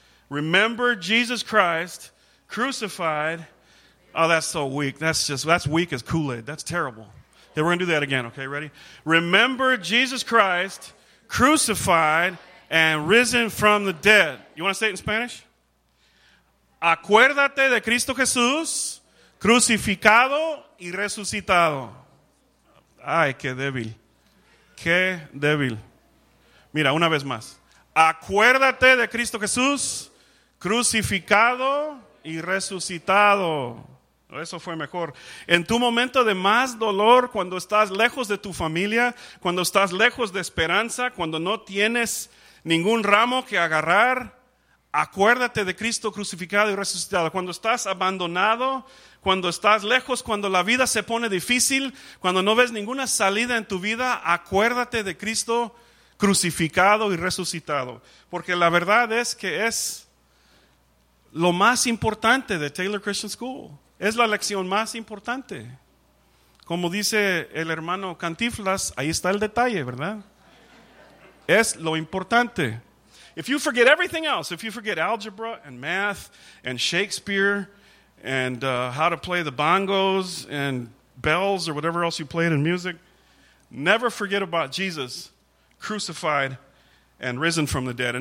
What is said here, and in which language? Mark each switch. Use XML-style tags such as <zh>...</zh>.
<en>Remember Jesus Christ crucified. Oh, that's so weak. That's weak as Kool-Aid. That's terrible. Yeah, we're going to do that again, okay, ready? Remember Jesus Christ crucified and risen from the dead. You want to say it in Spanish?</en> <es>Acuérdate de Cristo Jesús crucificado y resucitado. Ay, qué débil. Qué débil. Mira, una vez más. Acuérdate de Cristo Jesús crucificado y resucitado. Eso fue mejor. En tu momento de más dolor, cuando estás lejos de tu familia, cuando estás lejos de esperanza, cuando no tienes ningún ramo que agarrar, acuérdate de Cristo crucificado y resucitado. Cuando estás abandonado, cuando estás lejos, cuando la vida se pone difícil, cuando no ves ninguna salida en tu vida, acuérdate de Cristo crucificado y resucitado. Porque la verdad es que es lo más importante de Taylor Christian School. Es la lección más importante. Como dice el hermano Cantiflas, ahí está el detalle, ¿verdad? Es lo importante.</es> <en>If you forget everything else, if you forget algebra and math and Shakespeare and how to play the bongos and bells or whatever else you played in music, never forget about Jesus crucified and risen from the dead.</en>